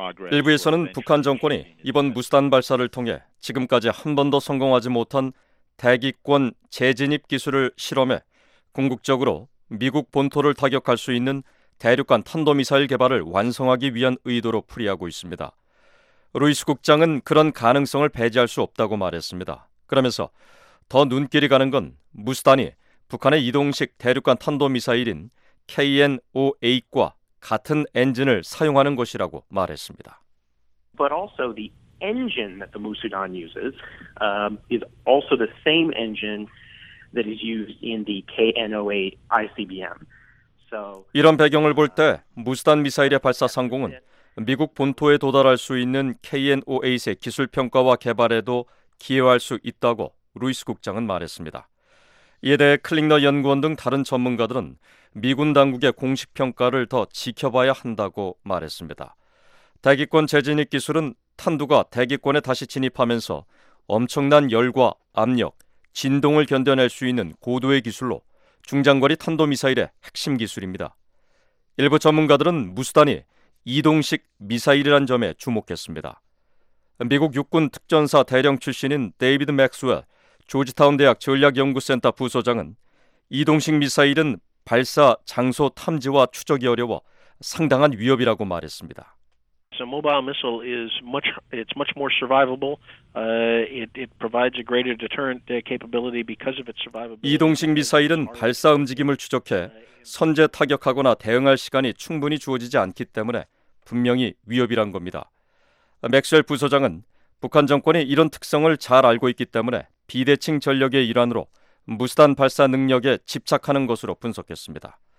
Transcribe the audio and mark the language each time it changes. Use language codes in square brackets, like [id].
[ko] 일부에서는 북한 정권이 이번 무수단 발사를 통해 지금까지 한 번도 성공하지 못한 대기권 재진입 기술을 실험해 궁극적으로 미국 본토를 타격할 수 있는 대륙간 탄도미사일 개발을 완성하기 위한 의도로 풀이하고 있습니다. 루이스 국장은 그런 가능성을 배제할 수 없다고 말했습니다. 그러면서 더 눈길이 가는 건 무수단이 북한의 이동식 대륙간 탄도미사일인 KN-08과 같은 엔진을 사용하는 것이라고 말했습니다. [en] But also the engine that the Musudan uses is also the same engine that is used in the KN-08 ICBM. So [ko] 이런 배경을 볼 때 무수단 미사일의 발사 성공은 미국 본토에 도달할 수 있는 KN-08의 기술 평가와 개발에도 기여할 수 있다고 루이스 국장은 말했습니다. 이에 대해 클링너 연구원 등 다른 전문가들은 미군 당국의 공식 평가를 더 지켜봐야 한다고 말했습니다. 대기권 재진입 기술은 탄두가 대기권에 다시 진입하면서 엄청난 열과 압력, 진동을 견뎌낼 수 있는 고도의 기술로 중장거리 탄도미사일의 핵심 기술입니다. 일부 전문가들은 무수단이 이동식 미사일이란 점에 주목했습니다. 미국 육군 특전사 대령 출신인 데이비드 맥스웰 조지타운 대학 전략연구센터 부소장은 이동식 미사일은 발사 장소 탐지와 추적이 어려워 상당한 위협이라고 말했습니다. [en] So mobile missile is much more survivable. It provides a greater deterrent capability because of its survivability. [ko] 이동식 미사일은 발사 움직임을 추적해 선제 타격하거나 대응할 시간이 충분히 주어지지 않기 때문에 분명히 위협이란 겁니다. 맥스웰 부소장은 북한 정권이 이런 특성을 잘 알고 있기 때문에 비대칭 전력의 일환으로 무수단 발사 능력에 집착하는 것으로 분석했습니다.